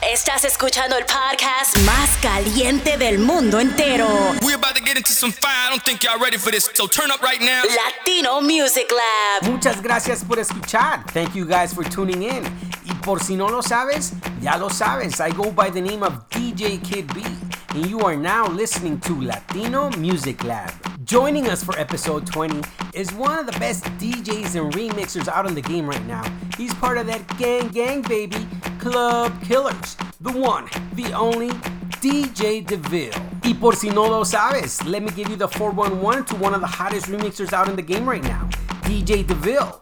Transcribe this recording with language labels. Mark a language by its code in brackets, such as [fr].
[es] Estás escuchando el podcast más caliente del mundo entero. [en] We're about to get into some fire. I don't think y'all ready for this. So turn up right now. Latino Music Lab. [es] Muchas gracias por escuchar. [en] Thank you guys for tuning in. [es] Y por si no lo sabes, ya lo sabes. [en] I go by the name of DJ Kid B. And you are now listening to Latino Music Lab. Joining us for episode 20 is one of the best DJs and remixers out in the game right now. He's part of that gang, baby, Club Killers. The one, the only, DJ DeVille. [es] Y por si no lo sabes, [en] let me give you the 411 to one of the hottest remixers out in the game right now, DJ DeVille.